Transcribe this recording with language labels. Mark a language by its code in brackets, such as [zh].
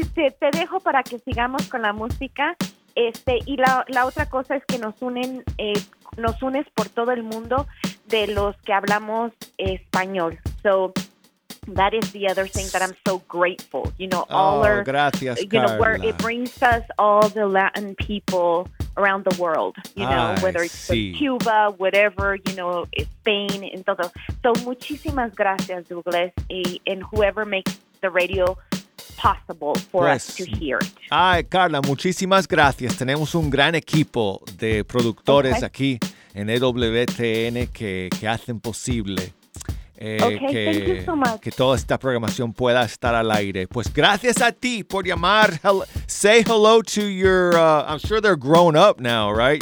[es] Te dejo para que sigamos con la música. Y la otra cosa es que nos unes por todo el mundo de los que hablamos español. [en] So that is the other thing that I'm so grateful. You know, [es] gracias, [en] you Carla. Know, where it brings us all the Latin people around the world. You know, whether it's Cuba, whatever, you know, Spain, and todo. So muchísimas gracias, Douglas, and whoever makes the radio possible for us to hear it. [es] Ay, Carla, muchísimas gracias. Tenemos un gran equipo de productores aquí en EWTN que hacen posible. Que toda esta programación pueda estar al aire. Pues gracias a ti por llamar. [en] Say hello to your, I'm sure they're grown up now, right?